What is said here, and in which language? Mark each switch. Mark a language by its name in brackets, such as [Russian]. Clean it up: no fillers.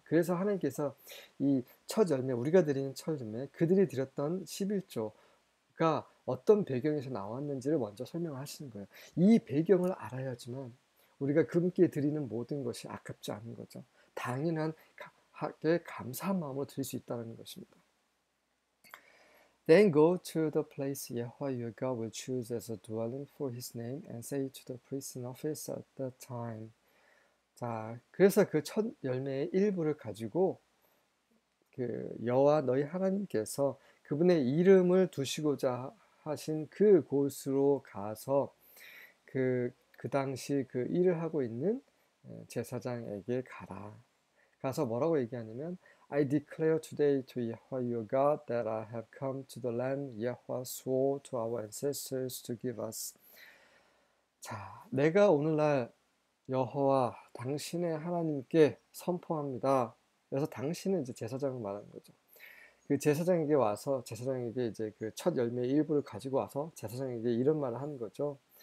[Korean] 그래서 하나님께서 이첫 열매, 우리가 드리는 첫 열매, 그들이 드렸던 11조가 어떤 배경에서 나왔는지를 먼저 설명하시는 거예요. 이 배경을 알아야지만 우리가 그분께 드리는 모든 것이 아깝지 않은 거죠. 당연한 감사한 마음으로 드릴 수 있다는 것입니다. [English] Then go to the place Yahweh your God will choose as a dwelling for his name and say to the priest in office at that time. [Korean] 자, 그래서 그첫 열매의 일부를 가지고 여호와 너희 하나님께서 그분의 이름을 두시고자 하신 그 곳으로 가서 그 당시 그 일을 하고 있는 제사장에게 가라. 가서 뭐라고 얘기하냐면, [English] I declare today to Yahweh your God that I have come to the land Yahweh swore to our ancestors to give us. [Korean] 자, 내가 오늘날 여호와 당신의 하나님께 선포합니다. 그래서 당신은 이제 제사장을 말하는 거죠. 그 제사장에게 와서 제사장에게 이제 그첫 열매의 일부를 가지고 와서 제사장에게 이런 말을 하는 거죠.